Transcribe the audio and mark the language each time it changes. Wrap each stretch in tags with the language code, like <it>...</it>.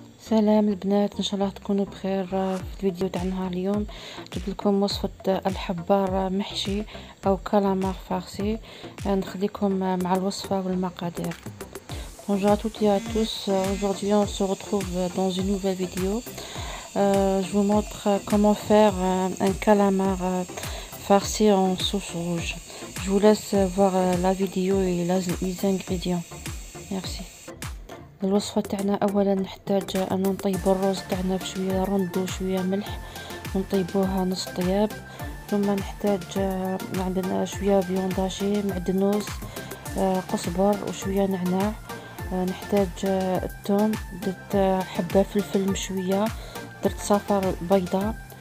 <ar>سلام البنات، ان شاء الله تكونوا بخير. في الفيديو تاع نهار اليوم جبت لكم وصفه الحبار محشي او كالامار فارسي. نخليكم مع الوصفه والمقادير.</ar> <fr>Bonjour à toutes et à tous. Aujourd'hui, on se retrouve dans une nouvelle vidéo. Je vous montre comment faire un calamar farci en sauce rouge. Je vous laisse voir la vidéo et les ingrédients. Merci.</fr> <ar>الوصفة تاعنا، اولا نحتاج ان نطيبو الرز تاعنا بشوية رند وشوية ملح، نطيبوها نص طياب. ثم نحتاج عندنا شوية فيون داشي، معدنوس، قصبر وشوية نعناع. نحتاج الثوم، درت حبة فلفل مشوية، درت صفار بيضة.</ar>